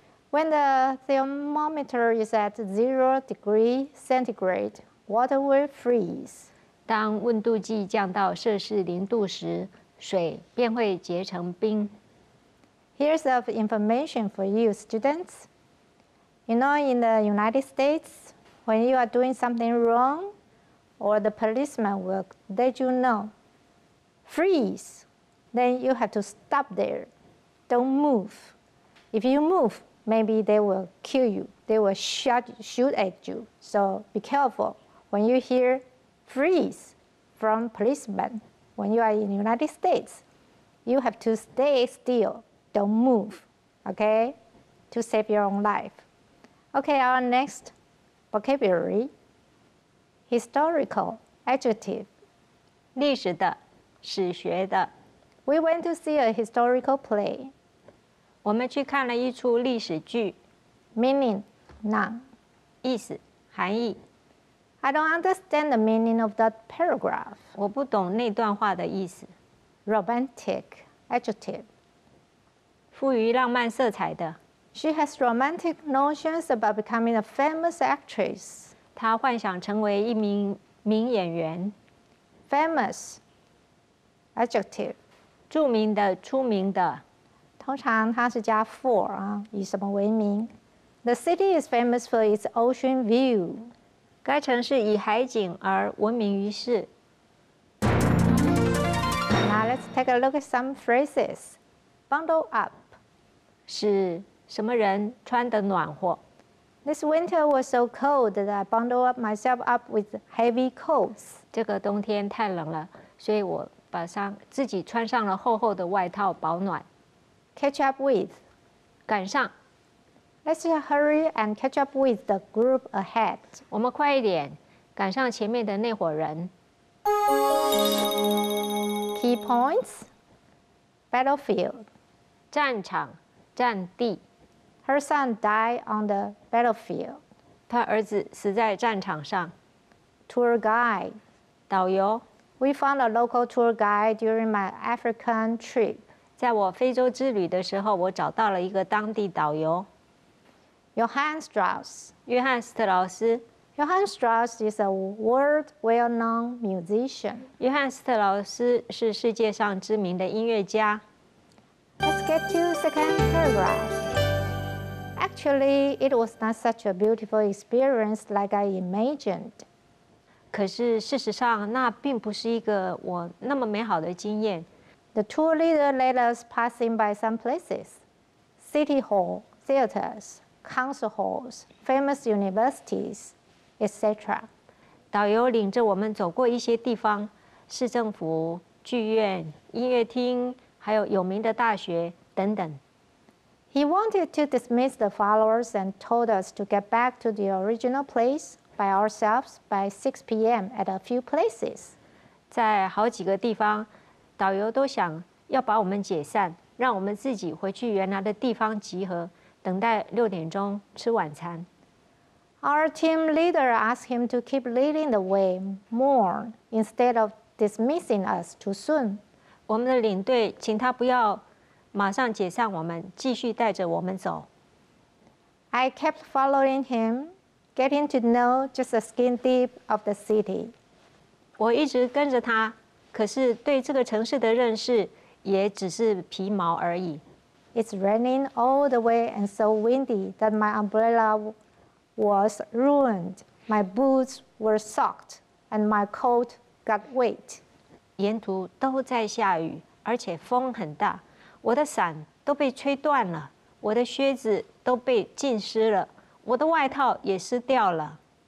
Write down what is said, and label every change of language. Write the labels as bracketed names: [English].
[English] When the thermometer is at 0°C, water will freeze. [Chinese] 当温度计降到摄氏零度时，水便会结成冰。 [English] Here's some information for you, students. You know, in the United States, when you are doing something wrong, or the policeman will let you know, freeze. Then you have to stop there. Don't move. If you move, maybe they will kill you. They will shoot at you. So be careful. When you hear freeze from policeman, when you are in the United States, you have to stay still. Don't move, okay? To save your own life. Okay, our next vocabulary, historical adjective. [Chinese] 历史的，史学的。 [English] We went to see a historical play. [Chinese] 我们去看了一出历史剧。 [English] Meaning, [Chinese] 难。意思，含义。 [English] I don't understand the meaning of that paragraph. [Chinese] 我不懂那段话的意思。 [English] Romantic adjective. [Chinese] 赋予浪漫色彩的。 [English] She has romantic notions about becoming a famous actress. [Chinese] 她幻想成为一名名演员。 [English] Famous adjective. [Chinese] 著名的，出名的。通常它是加 for 啊，以什么为名。 [English] The city is famous for its ocean view. [Chinese] 该城市以海景而闻名于世。 [English] Now let's take a look at some phrases. Bundle up. [Chinese] 是什么人穿得暖和。 [English] This winter was so cold that I bundled myself up with heavy coats. [Chinese] 这个冬天太冷了，所以我把自己穿上了厚厚的外套保暖。 [English] Catch up with. [Chinese] 赶上。 [English] Let's hurry and catch up with the group ahead. [Chinese] 我们快一点，赶上前面的那伙人。 [English] Key points. Battlefield. [Chinese] 战场，战地。 [English] Her son died on the battlefield. [Chinese] 他儿子死在战场上。 [English] Tour guide. [Chinese] 导游。 [English] We found a local tour guide during my African trip. [Chinese] 在我非洲之旅的时候，我找到了一个当地导游。 [English] Johann Strauss. [Chinese] 约翰·斯特劳斯。 [English] Johann Strauss is a world well-known musician. 约翰·斯特劳斯是世界上知名的音乐家。 Let's get to the second paragraph. Actually, it was not such a beautiful experience like I imagined. [Chinese] 可是事实上，那并不是一个我那么美好的经验。 [English] The tour leader led us passing by some places. City hall, theaters, council halls, famous universities, etc. [Chinese] 导游领着我们走过一些地方，市政府、剧院、音乐厅，还有有名的大学等等。 [English] He wanted to dismiss the followers and told us to get back to the original place by ourselves by 6 p.m. at a few places. [Chinese] 在好几个地方，导游都想要把我们解散，让我们自己回去原来的地方集合，等待六点钟吃晚餐。 [English] Our team leader asked him to keep leading the way more instead of dismissing us too soon. [Chinese] 我们的领队请他不要马上解散我们，继续带着我们走。 [English] I kept following him, getting to know just the skin deep of the city. [Chinese] 我一直跟着他，可是对这个城市的认识也只是皮毛而已。 [English] It's raining all the way and so windy that my umbrella was ruined, my boots were soaked, and my coat got wet. [Chinese] 沿途都在下雨，而且风很大。我的伞都被吹断了，我的靴子都被浸湿了，我的外套也湿掉了。